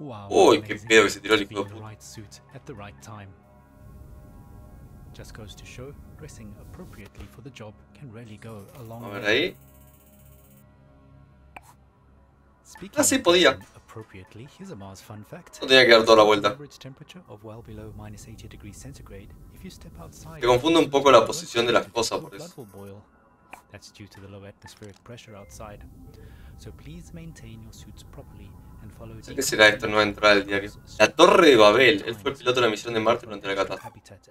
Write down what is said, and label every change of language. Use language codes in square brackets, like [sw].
[es] Uy, qué pedo que se tiró el hijo de puta. [en] Just goes to show, dressing appropriately for the job can really go a long way. [es] A ver ahí. Ah, sí, podía. [en] Appropriately, here's a Mars fun fact. [es] No tenía que dar toda la vuelta. [en] Average temperature of well below minus 80 degrees centigrade. If you step outside, [es] te confundo un poco la posición de las cosas por eso. [en] That's due to the low atmospheric pressure outside. So please maintain your suits properly and follow the... [es] ¿Qué será esto? No va a entrar al diario. La Torre de Babel. Él fue el piloto de la misión de Marte durante la catástrofe.